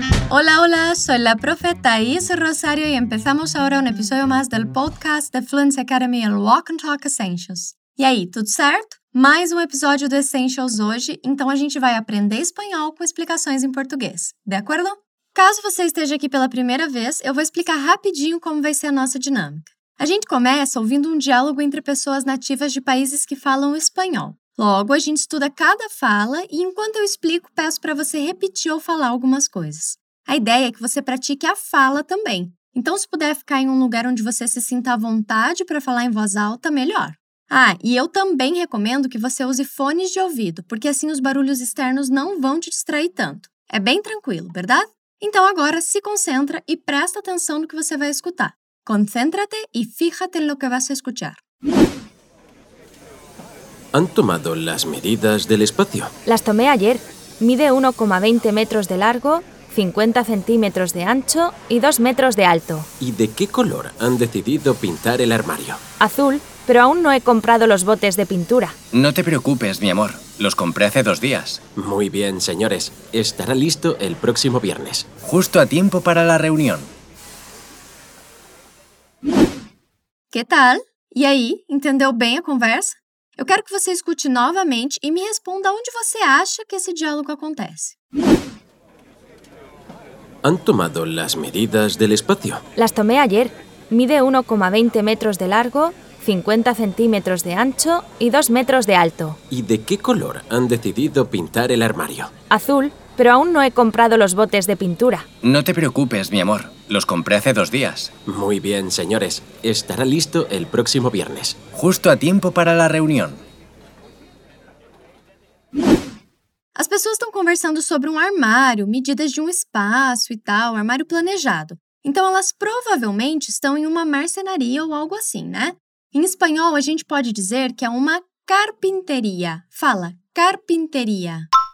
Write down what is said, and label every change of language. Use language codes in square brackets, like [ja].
[es] Hola, hola, soy la profe Thais Rosario y empezamos ahora un episodio más del podcast de Fluency Academy, el Walk and Talk Essentials. [pt] E aí, tudo certo? Mais um episódio do Essentials hoje, então a gente vai aprender espanhol com explicações em português, de acordo? Caso você esteja aqui pela primeira vez, eu vou explicar rapidinho como vai ser a nossa dinâmica. A gente começa ouvindo um diálogo entre pessoas nativas de países que falam espanhol. Logo, a gente estuda cada fala e, enquanto eu explico, peço para você repetir ou falar algumas coisas. A ideia é que você pratique a fala também. Então, se puder ficar em um lugar onde você se sinta à vontade para falar em voz alta, melhor. Ah, e eu também recomendo que você use fones de ouvido, porque assim os barulhos externos não vão te distrair tanto. É bem tranquilo, verdade? Então, agora, se concentra e presta atenção no que você vai escutar. [es] Concéntrate e fíjate no que vas a escuchar. ¿Han tomado las medidas del espacio? Las tomé ayer. Mide 1,20 metros de largo, 50 centímetros de ancho y 2 metros de alto. ¿Y de qué color han decidido pintar el armario? Azul, pero aún no he comprado los botes de pintura. No te preocupes, mi amor. Los compré hace 2 días. Muy bien, señores. Estará listo el próximo viernes. Justo a tiempo para la reunión. ¿Qué tal? ¿Y ahí? ¿Entendió bien la conversa? [pt] Eu quero que você escute novamente e me responda onde você acha que esse diálogo acontece. Han tomado las medidas del espacio. Las tomé ayer. Mide 1,20 metros de largo, 50 centímetros de ancho y 2 metros de alto. ¿Y de qué color han decidido pintar el armario? Azul, pero aún no he comprado los botes de pintura. No te preocupes, mi amor. Los compré hace 2 días. Muy bien, señores. Estará listo el próximo viernes. Justo a tiempo para la reunión. As pessoas estão conversando sobre armário, medidas de espaço e tal, armário planejado. Então, elas provavelmente estão em uma mercenaria ou algo assim, né? Em espanhol, a gente pode dizer que é uma carpinteria. Fala, carpinteria.